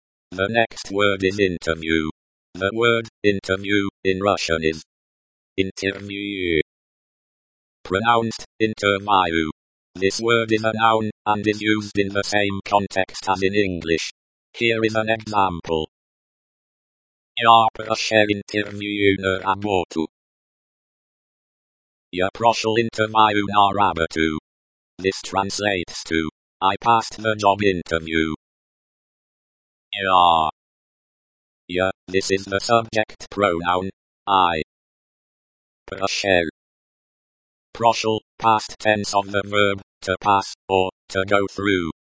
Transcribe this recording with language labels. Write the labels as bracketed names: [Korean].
[English] The next word is interview. The word interview in Russian is интервью. Pronounced интервью. This word is a noun and is used in the same context as in English. Here is an example. [Russian] Я прошел интервью на работу. Я прошел интервью на работу. [English] This translates to I passed the job interview. Я, this is the subject pronoun, I. Прошел, past tense of the verb, to pass, or, to go through.